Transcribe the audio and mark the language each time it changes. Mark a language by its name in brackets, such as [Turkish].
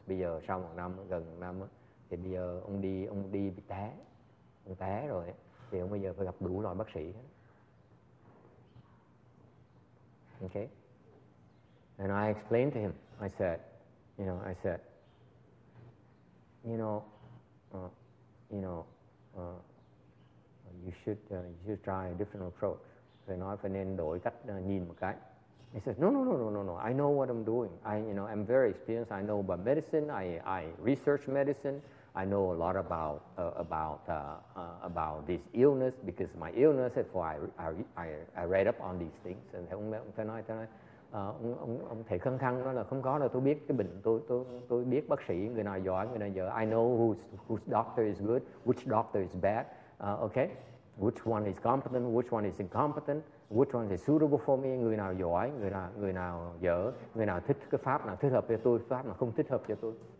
[Vietnamese] Bây giờ sau một năm, gần một năm, thì bây giờ ông đi bị té. Ông té rồi, thì ông bây giờ phải gặp đủ loại bác sĩ. [English] Okay? And I explained to him, I said, you know, you should try a different approach. [Vietnamese] Thầy nói phải nên đổi cách nhìn một cái. [English] He said, no, I know what I'm doing. I'm very experienced. I know about medicine. I research medicine. I know a lot about this illness because my illness, I read up on these things. [Vietnamese] And ông thầy khăng khăng nói là không có đâu, tôi biết cái bệnh, tôi biết bác sĩ người nào giỏi người nào dở. [English] I know whose doctor is good, which doctor is bad, okay, which one is competent, which one is incompetent, which one is suitable for me, [Vietnamese] người nào giỏi người nào dở, người nào thích cái pháp nào thích hợp cho tôi, [English] pháp nào không thích hợp cho tôi.